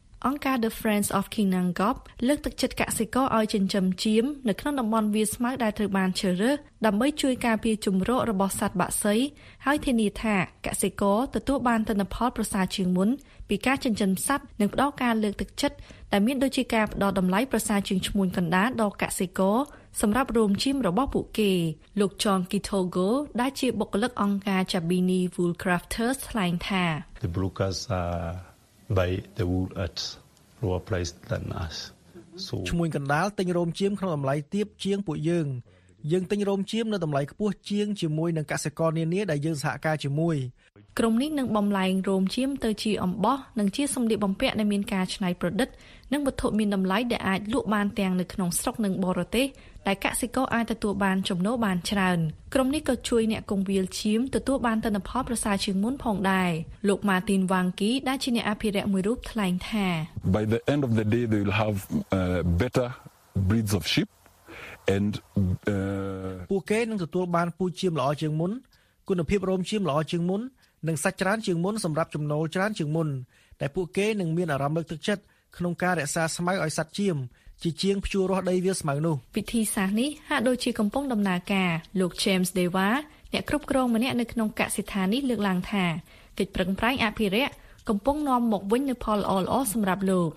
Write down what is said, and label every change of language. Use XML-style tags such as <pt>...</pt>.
<km>អង្គការ The Friends of Kinangop លើកទឹកចិត្តកសិករឲ្យចិញ្ចឹមចៀមនៅក្នុងតំបន់វាលស្មៅដែលត្រូវបានជ្រើសរើសដើម្បីជួយការពារជម្រករបស់សត្វបក្សីហើយធានាថាកសិករទទួលបានទិន្នផលប្រសើរជាងមុនពីការចិញ្ចឹមសត្វនិងផ្ដល់ការលើកទឹកចិត្តដែលមានដូចជាការផ្ដល់តម្លៃប្រសើរជាងឈ្មួញកណ្ដាលដល់កសិករសម្រាប់រោមចៀមរបស់ពួកគេលោក John Kitogo ដែលជាបុគ្គលិកអង្គការ Jabini Wool Crafters ថ្លែងថា</km> <en>The brokers by the wool at lower price than us</en> <km>so ឈ្មួញកណ្ដាលទិញរោមចៀមក្នុងតម្លៃទាបជាងពួកយើងយើងទិញរោមចៀមនៅតម្លៃខ្ពស់ជាងជាមួយនឹងកសិករនានាដែលយើងសហការជាមួយ ក្រុមនេះនឹងបំលែងរោមចៀមទៅជាអំបោះនិងជាសម្ភារបំពាក់ដែលមានការច្នៃប្រឌិតនិងវត្ថុមានតម្លៃដែលអាចលក់បានទាំងនៅក្នុងស្រុកនិងបរទេសដែលកសិករអាចទទួលបានចំណូលបានច្រើនក្រុមនេះក៏ជួយអ្នកកងវិលឈាមទទួលបានទិន្នផលប្រសើរជាងមុនផងដែរលោក Martin Wangki ដែលជាអ្នកអភិរក្សមួយរូបថ្លែងថា</km> <en>By the end of the day they will have better breeds of sheep and</en> <km>ពួកគេនឹងទទួលបានពូជឈាមល្អជាងមុនគុណភាពរោមឈាមល្អជាងមុន និងសាច់ច្រើនជាងមុនសម្រាប់ចំណូលច្រើនជាងមុនតែពួកគេនឹងមានអារម្មណ៍លើកទឹកចិត្តក្នុងការរក្សាស្មៅឲ្យសัตว์ជៀមជាជាងភ្ជួររាស់ដីវាស្មៅនោះ វិធីសាស្ត្រនេះហាក់ដូចជាកំពុងដំណើរការលោក James Deva អ្នកគ្រប់គ្រងម្នាក់នៅក្នុងកសិដ្ឋាននេះលើកឡើងថាកិច្ចប្រឹងប្រែងអភិរក្សកំពុងនាំមកវិញនូវផលល្អៗសម្រាប់លោក</km>